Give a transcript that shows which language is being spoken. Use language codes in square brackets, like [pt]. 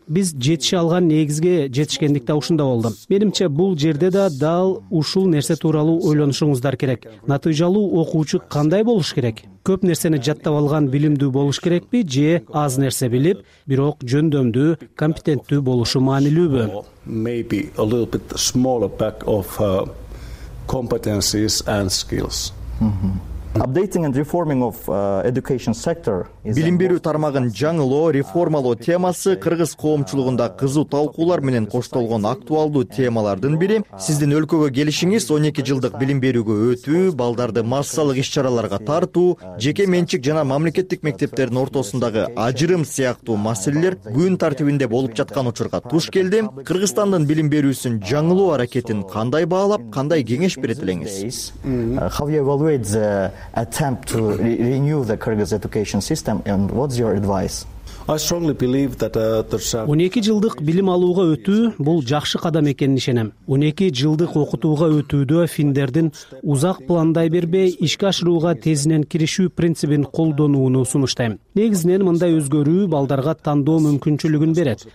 [ky] Биз жетише алган негизге жетишкендикте ушунда болду. Менимче, бул жерде да дал ушул нерсе тууралуу ойлонушуңуздар керек. Натыйжалуу окуучу кандай болуш керек? Көп нерсени жаттап алган билимдүү болуш керекпи же аз нерсе билип, бирок жөндөмдүү, компетенттүү болушу маанилүүбү? [en] Maybe a little bit smaller pack of competencies and skills. Updating and reforming of education sector is [ky] билим берүү тармагын жаңылоо, реформалоо темасы кыргыз коомчулугунда кызуу талкуулар менен коштолгон актуалдуу темалардын бири. Сиздин өлкөгө келишиңиз 12 жылдык билим берүүгө өтүү, балдарды массалык иш-чараларга тартуу, жеке менчик жана мамлекеттик мектептердин ортосундагы ажырым сыяктуу маселелер күн тартибинде болуп жаткан учурга туш келди. Кыргызстандын билим берүүсүн жаңылоо аракетин кандай баалап, кандай кеңеш берет элеңиз? [en] How you evaluate the attempt to renew the Kyrgyz education system and what's your advice? I strongly believe that [ky] 12 жылдык билим алууга өтүү бул жакшы кадам экенин ишенем. 12 жылдык окутууга өтүүдө финдердин узак пландай бербей ишке ашырууга тезинен киришүү принцибин колдонууну сунуштайм. Негизинен мындай өзгөрүү балдарга тандоо мүмкүнчүлүгүн берет.